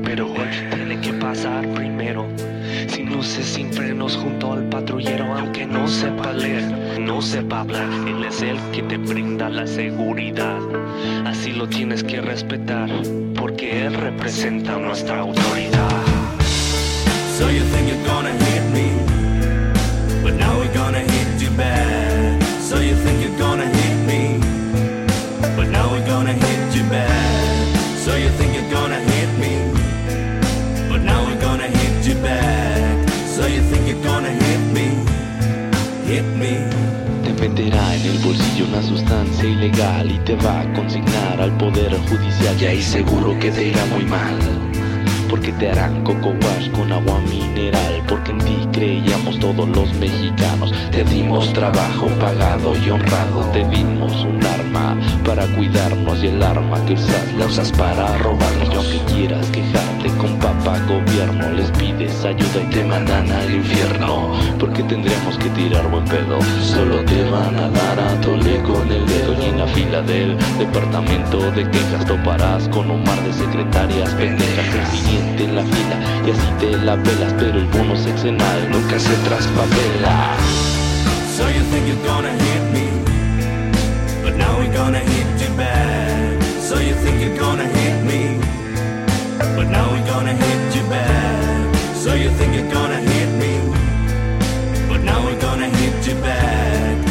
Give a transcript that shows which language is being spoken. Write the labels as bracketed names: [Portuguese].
[Spanish] Pero él tiene que pasar primero. Sin luces, sin frenos, junto al patrullero. Aunque no sepa leer, no sepa hablar, él es el que te brinda la seguridad. Así lo tienes que respetar, porque él representa nuestra autoridad. [English] So you think you're gonna hit me, but now we're gonna hit you bad. So you think you're gonna hit me, but now we're gonna hit you bad. So you think you're gonna hit me, but now we're gonna hit you back. So you think you're gonna hit me, hit me. [Spanish] Venderá en el bolsillo una sustancia ilegal y te va a consignar al poder judicial. Y ahí seguro que te irá muy mal, porque te harán coco wash con agua mineral. Porque en ti creíamos todos los mexicanos. Te dimos trabajo pagado y honrado. Te dimos un arma para cuidarnos. Y el arma que usas la usas para robar. Y aunque quieras quejarte con papá gobierno, les pides ayuda y te mandan al infierno. Porque tendríamos que tirar buen pedo. Solo te van a dar a tole con el dedo. Y en la fila del departamento de quejas toparás con un mar de secretarias pendejas. Siente la fila y así te la pelas, pero el bono sexenal nunca se traspapela. [English] So you think you're gonna hit me, but now we're gonna hit you back. So you think you're gonna hit me, but now we're gonna hit you back. So you think you're gonna hit me, but now we're gonna hit you back.